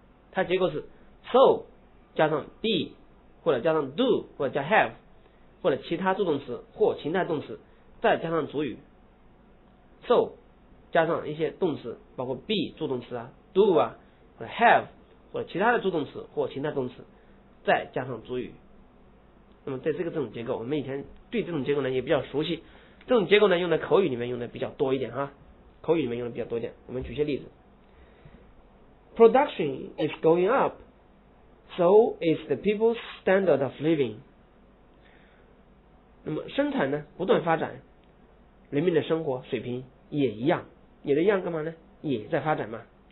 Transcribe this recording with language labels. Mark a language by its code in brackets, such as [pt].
[zh] 它结构是 so加上 be 或者加上 do 或者加 have 或者其他助动词或情态动词，再加上主语 so 加上一些动词包括 be 助动词啊 do 啊或者 have 或者其他的助动词或情态动词，再加上主语。那么在这个这种结构我们以前对这种结构呢也比较熟悉，这种结构呢用在口语里面用的比较多一点哈，口语里面用的比较多一点。我们举些例子。 [en] Production is going upSo is the people's standard of living. [zh] 那么生产呢不断发展，人民的生活水平也一样，也一样干嘛呢，也在发展嘛。